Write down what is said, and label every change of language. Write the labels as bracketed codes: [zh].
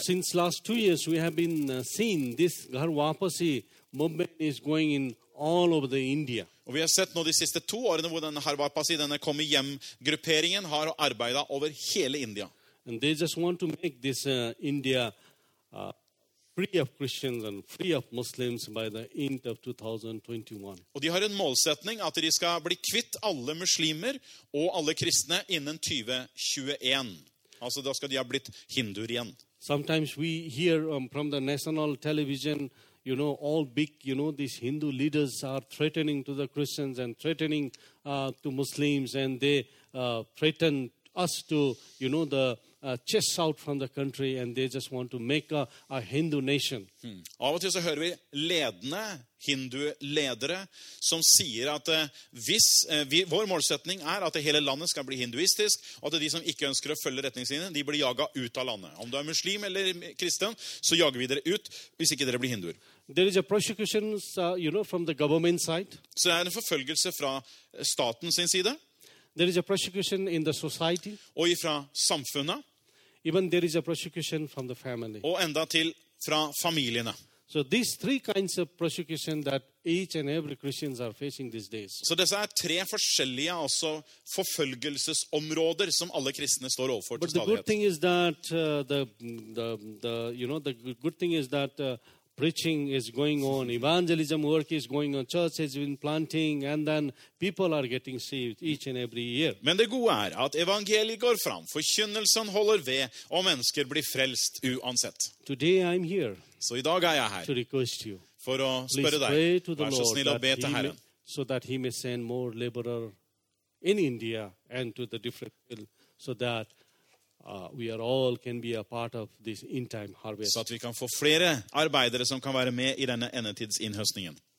[en] So since last 2 years we have been seeing this Ghar Wapasi movement is going in all over the India. [no] Og vi har sett nå de siste 2 årene hvor denne Ghar Wapasi, denne kommer hjem grupperingen, har arbeidet over hele India. [en] And they just want to make this India free of Christians and free of Muslims by the end of 2021. [sv] Och de har en målsättning att de ska bli kvitt alla muslimer och alla kristna innan 2021. Alltså då ska de ha blivit hinduer igen. [en] Sometimes we hear from the national television, you know, all big, you know, these Hindu leaders are threatening to the Christians and threatening to Muslims, and they threaten us to, you know, the chase out from the country, and they just want to make a Hindu nation. [no] Av og til så hører vi ledende hinduledere som sier at hvis vår målsetning at hele landet skal bli hinduistisk, og at de som ikke ønsker å følge retningslinjene, de blir jaget ut av landet. Om du muslim eller kristen, så jager vi dere ut hvis ikke dere blir hinduer. [en] There is a persecution, you know, from the government side. [no] Så en forfølgelse fra staten sin side. [en] There is a persecution in the society. [no] Og ifra samfunnet. [en] Even there is a persecution from the family. [no] Og enda til fra familiene. [en] So these three kinds of persecution that each and every Christians are facing these days. [no] Så dessa tre forskjellige altså forfølgelsesområder som alle kristne står overfor. [en] But the good thing is that the good thing is that preaching is going on, evangelism work is going on, church has been planting, and then people are getting saved each and every year. [no] Men det gode at evangeliet går fram, forkynnelsen holder ved, og mennesker blir frelst uansett. [en] Today I'm here. [no] Så I dag jeg her. [en] To request you. [no] For å spørre deg. [en] Please pray to the Lord that he may send more laborer in India and to the different field so that we are all can be a part of this end time harvest. [sv] Så att vi kan få flera arbetare som kan vara med I denna endetidsinhöstningen.